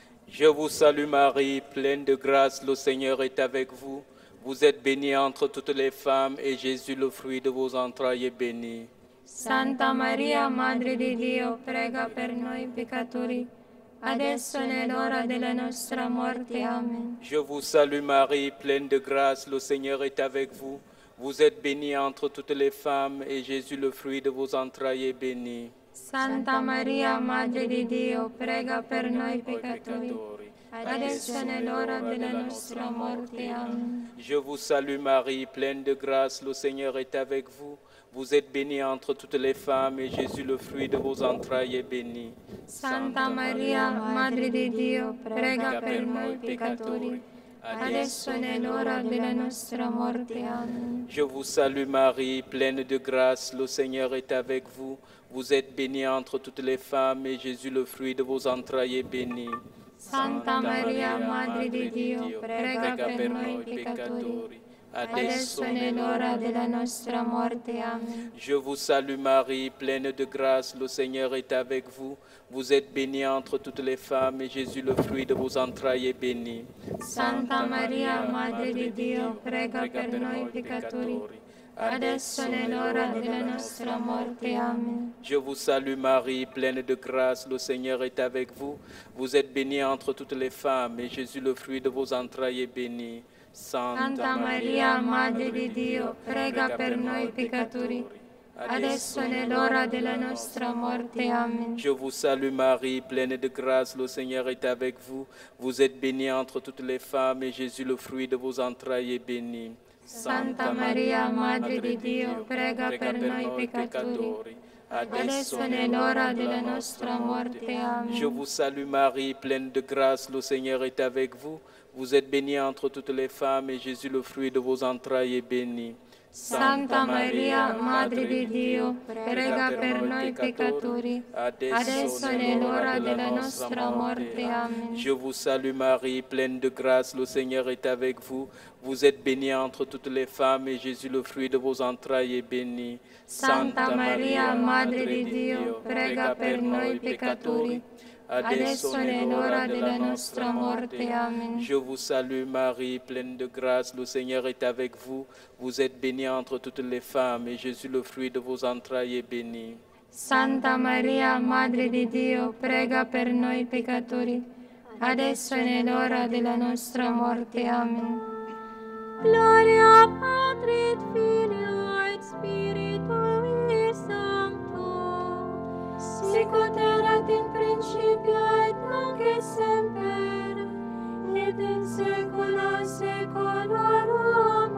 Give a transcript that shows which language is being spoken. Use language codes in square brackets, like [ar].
[fr] Je vous salue Marie, pleine de grâce, le Seigneur est avec vous. Vous êtes bénie entre toutes les femmes et Jésus, le fruit de vos entrailles, est béni. [it] Santa Maria, Madre di Dio, prega per noi peccatori, adesso è l'ora della nostra morte. Amen. [fr] Je vous salue Marie, pleine de grâce, le Seigneur est avec vous. Vous êtes bénie entre toutes les femmes et Jésus, le fruit de vos entrailles, est béni. [it] Santa Maria, Madre di Dio, prega per noi peccatori, adesso è l'ora della nostra morte. Amen. [fr] Je vous salue Marie, pleine de grâce, le Seigneur est avec vous. Vous êtes bénie entre toutes les femmes et Jésus, le fruit de vos entrailles, est béni. [it] Santa Maria, Madre di Dio, prega per noi peccatori, adesso è l'ora della nostra morte. Amen. [fr] Je vous salue Marie, pleine de grâce, le Seigneur est avec vous. Vous êtes bénie entre toutes les femmes, et Jésus, le fruit de vos entrailles, est béni. [it] Santa Maria, Madre di Dio, prega per noi peccatori, adesso è l'ora della nostra morte. Amen. [fr] Je vous salue, Marie, pleine de grâce, le Seigneur est avec vous. Vous êtes bénie entre toutes les femmes, et Jésus, le fruit de vos entrailles, est béni. [it] Santa Maria, Madre di Dio, prega per noi peccatori, adesso è l'ora della nostra morte. Amen. [fr] Je vous salue Marie, pleine de grâce, le Seigneur est avec vous. Vous êtes bénie entre toutes les femmes, et Jésus, le fruit de vos entrailles, est béni. [it] Santa Maria, Madre di Dio, prega per noi peccatori, adesso è l'ora della nostra morte. Amen. [fr] Je vous salue Marie, pleine de grâce, le Seigneur est avec vous. Vous êtes bénie entre toutes les femmes, et Jésus, le fruit de vos entrailles, est béni. [it] Santa Maria, Madre di Dio, prega per noi peccatori, adesso è l'ora della nostra morte. Amen. [fr] Je vous salue Marie, pleine de grâce, le Seigneur est avec vous. Vous êtes bénie entre toutes les femmes, et Jésus, le fruit de vos entrailles, est béni. [it] Santa Maria, Madre di Dio, prega per noi peccatori, adesso è l'ora della nostra morte. Amen. [fr] Je vous salue Marie, pleine de grâce, le Seigneur est avec vous. Vous êtes bénie entre toutes les femmes, et Jésus, le fruit de vos entrailles, est béni. [it] Santa Maria, Madre di Dio, prega per noi peccatori, adesso è l'ora della nostra morte. Amen. [fr] Je vous salue Marie, pleine de grâce, le Seigneur est avec vous. Vous êtes bénie entre toutes les femmes, et Jésus, le fruit de vos entrailles, est béni. [it] Santa Maria, Madre di Dio, prega per noi peccatori, adesso è l'ora della nostra morte. Amen. [la] Gloria Patri et Filio et Spiritui Sancto, sicut erat in principio et nunc et semper, et in saecula saeculorum.